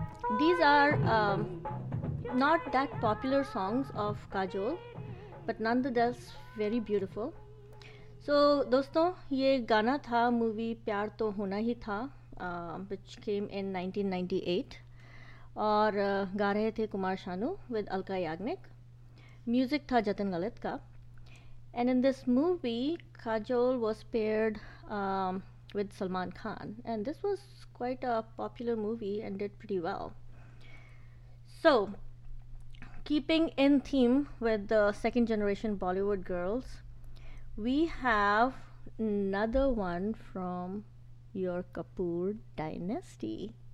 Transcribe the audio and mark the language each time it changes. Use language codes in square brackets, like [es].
[en] that popular songs of Kajol, but nonetheless very beautiful. [hi] So, दोस्तों ये गाना था movie प्यार तो होना ही था [en] which came in 1998 [hi] और गा रहे थे कुमार शानू with अलका याग्निक. Music था जतिन ललित का. [en] And in this movie, Kajol was paired with Salman Khan. And this was quite a popular movie and did pretty well. So, keeping in theme with the second generation Bollywood girls, we have another one from your Kapoor dynasty.